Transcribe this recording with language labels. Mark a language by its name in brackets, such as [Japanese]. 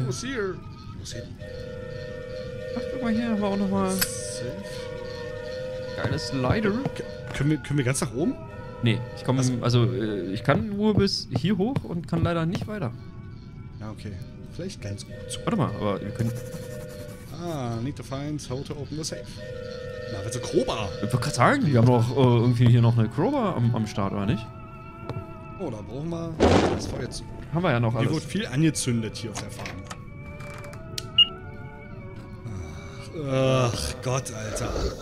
[English] He was here. He was hidden. [German] Ach, guck mal, hier haben wir auch nochmal... geiles Slider. Können wir ganz nach oben? Nee, ich komme... Also, ich kann nur bis hier hoch und kann leider nicht weiter. Ja, okay. Vielleicht ganz gut. Warte mal, aber wir können... [English] Ah, need to find how to open the safe. [German] Na, wird's ein Crowbar? Ich würde gerade sagen, wir haben doch irgendwie hier noch eine Crowbar am Start, oder nicht? Oh, da brauchen wir das Feuer zu. Haben wir ja noch hier alles. Hier wurde viel angezündet hier auf der Farm. Ach Gott, Alter.